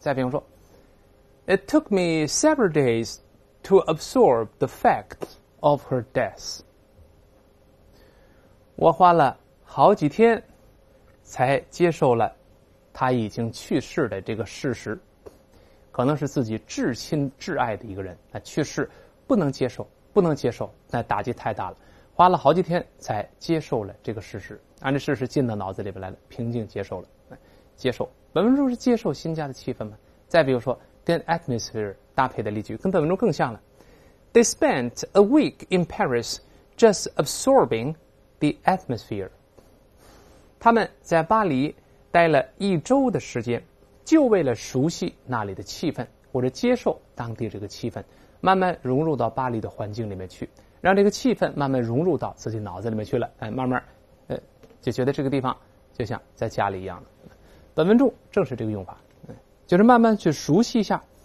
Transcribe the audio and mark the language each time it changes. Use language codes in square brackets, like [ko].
[zh] 再比方说 [en] It took me several days to absorb the fact of her death， [zh] 我花了好几天才接受了她已经去世的这个事实，可能是自己至亲至爱的一个人去世，不能接受，那打击太大了，花了好几天才接受了这个事实，按这事实进到脑子里边来了，平静接受了，接受。本文中是接受新家的气氛吗？再比如说跟 atmosphere 搭配的例句，跟本文中更像了。 [en] They spent a week in Paris just absorbing the atmosphere. [zh] 他们在巴黎待了一周的时间，就为了熟悉那里的气氛，或者接受当地这个气氛，慢慢融入到巴黎的环境里面去，让这个气氛慢慢融入到自己脑子里面去了，慢慢就觉得这个地方就像在家里一样了。本文中正是这个用法，就是慢慢去熟悉一下